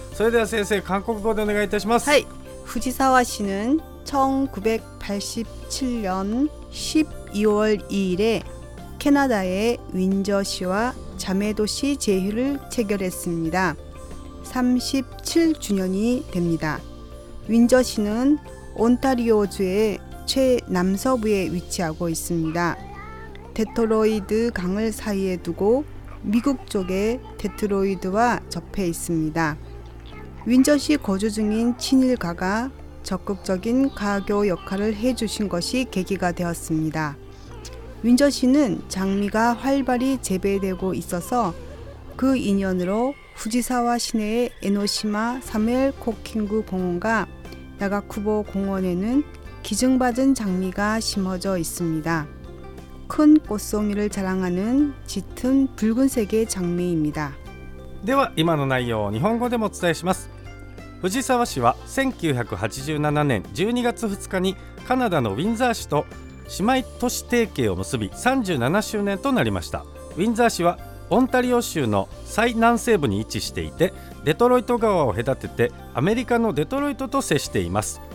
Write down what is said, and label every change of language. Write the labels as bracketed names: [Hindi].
[Japanese] それでは先生、韓国語でお願いいたします。はい。藤沢市は1987年12 [Korean] 월2일에캐나다의윈저시와자매도시제휴를체결했습니다. 37주년이됩니다. 윈저시는 온타리오 주의 최남서부에 위치하고 있습니다. 데트로이드 강을 사이에 두고 미국 쪽에 데트로이드와 접해 있습니다. 윈저시 거주중인 친일가가적극적인가교역할을해주신것이계기가되었습니다. 윈저시는 장미가 활발히 재배되고 있어서 그 인연으로 후지사와 시내의 에노시마 사무엘 코킨구 공원과 나가쿠보 공원에는 기증받은 장미가 심어져 있습니다. 큰 꽃송이를 자랑하는 짙은 붉은 색의 장미입니다. [Japanese] では今の内容を日本語でもお伝えします。藤沢市は1987年12月2日にカナダのウィンザー市と姉妹都市提携を結び37周年となりました。ウィンザー市はオンタリオ州の最南西部に位置していて、デトロイト川を隔ててアメリカのデトロイトと接しています。